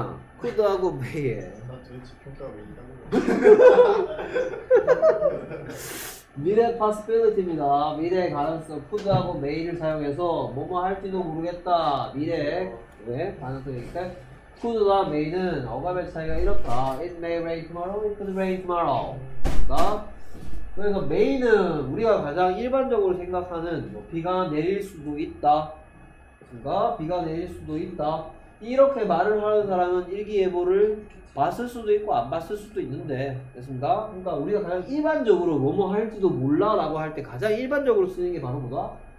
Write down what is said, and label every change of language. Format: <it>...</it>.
<ko>아, 야, 쿠드하고 메이. 나 도대체 평가 왜 이러는 거야? 미래 possibility입니다. 미래 가능성. 쿠드하고 메이를 사용해서 뭐뭐 할지도 모르겠다. 미래 왜 가능성이니까. 쿠드와 메이는 억압의 차이가 이렇다.</ko> <en>It may rain tomorrow, it could rain tomorrow.</en> <ko>됐습니까? 그래서 메이는 우리가 가장 일반적으로 생각하는 뭐 비가 내릴 수도 있다. 됐습니까? 비가 내릴 수도 있다. 이렇게 말을 하는 사람은 일기예보를 봤을 수도 있고 안 봤을 수도 있는데. 됐습니까? 그러니까 우리가 가장 일반적으로 뭐뭐 할지도 몰라 라고 할 때 가장 일반적으로 쓰는 게 바로 뭐다?</ko>